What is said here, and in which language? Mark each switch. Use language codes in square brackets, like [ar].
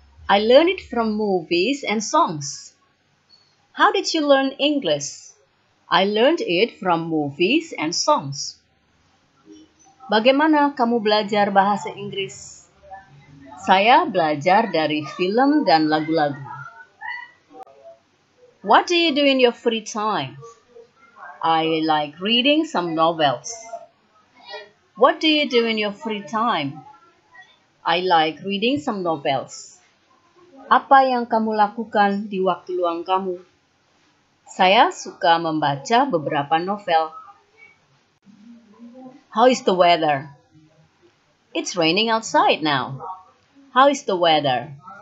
[en] I learned it from movies and songs. How did you learn English? I learned it from movies and songs. [id] Bagaimana kamu belajar bahasa Inggris? Saya belajar dari film dan lagu-lagu. [en] What do you do in your free time? I like reading some novels. What do you do in your free time? I like reading some novels. [id] Apa yang kamu lakukan di waktu luang kamu? Saya suka membaca beberapa novel. [en] How is the weather? It's raining outside now. How is the weather?